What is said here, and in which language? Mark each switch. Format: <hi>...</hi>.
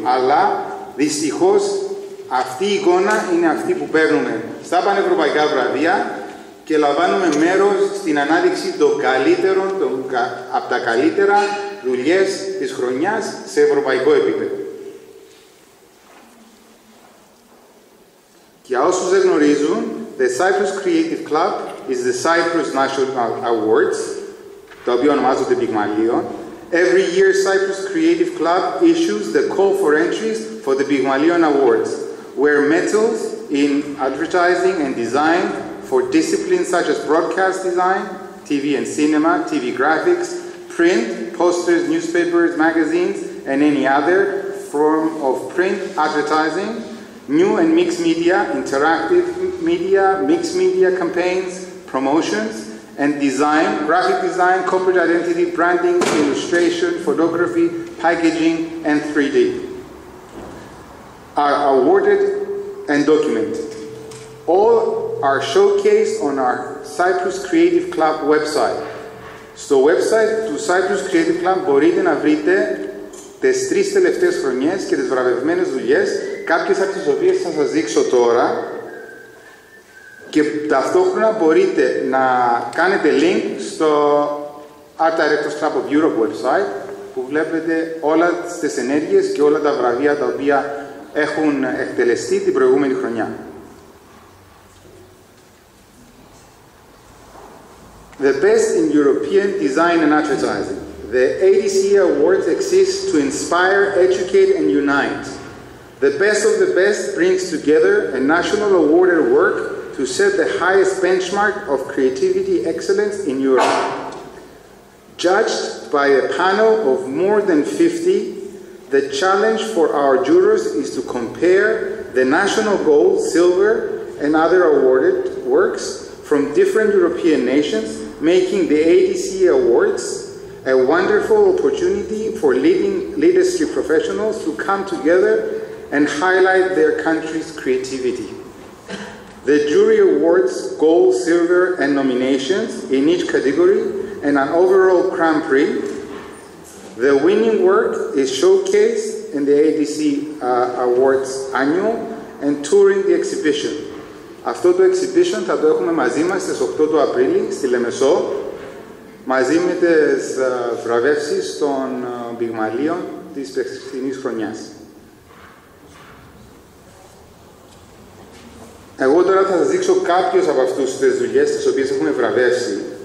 <el>Αλλά, δυστυχώς, αυτή η εικόνα είναι αυτή που παίρνουμε στα πανευρωπαϊκά βραβεία και λαμβάνουμε μέρος στην ανάδειξη των καλύτερων, από τα καλύτερα δουλειές της χρονιάς σε ευρωπαϊκό επίπεδο. Για όσους δεν γνωρίζουν,</el> <en>the Cyprus Creative Club is the Cyprus National Awards,</en> <el>το οποίο ονομάζονται</el> <en>Πυγμαλίων. Every year, Cyprus Creative Club issues the call for entries for the Πυγμαλίων Awards, where medals in advertising and design for disciplines such as broadcast design, TV and cinema, TV graphics, print, posters, newspapers, magazines, and any other form of print advertising, new and mixed media, interactive media, mixed media campaigns, promotions, and design, graphic design, corporate identity, branding, illustration, photography, packaging, and 3D are awarded and documented. All are showcased on our Cyprus Creative Club website.</en> <el>Στο website του Cyprus Creative Club μπορείτε να βρείτε τις τρεις τελευταίες χρονιές και τις βραβευμένες δουλειές, κάποιες από τις οποίες θα σας δείξω τώρα, και ταυτόχρονα μπορείτε να κάνετε link στο Art Directors Club of Europe website, που βλέπετε όλα τις ενέργειες και όλα τα βραβεία τα οποία έχουν εκτελεστεί την προηγούμενη χρονιά.</el> <en>The best in European design and advertising. The ADC Awards exist to inspire, educate and unite. The best of the best brings together a national awarded work to set the highest benchmark of creativity excellence in Europe. Judged by a panel of more than 50, the challenge for our jurors is to compare the national gold, silver and other awarded works from different European nations, making the ADC Awards a wonderful opportunity for leading leadership professionals to come together and highlight their country's creativity. The jury awards gold, silver, and nominations in each category and an overall Grand Prix. The winning work is showcased in the ADC Awards annual and touring the exhibition.</en> <el>Αυτό το exhibition θα το έχουμε μαζί μας στις 8 του Απρίλη στη Λεμεσό, μαζί με τις βραβεύσεις των πυγμαλίων της περσινής χρονιάς. Εγώ τώρα θα σας δείξω κάποιες από αυτές τις δουλειές τις οποίες έχουμε βραβεύσει.</el>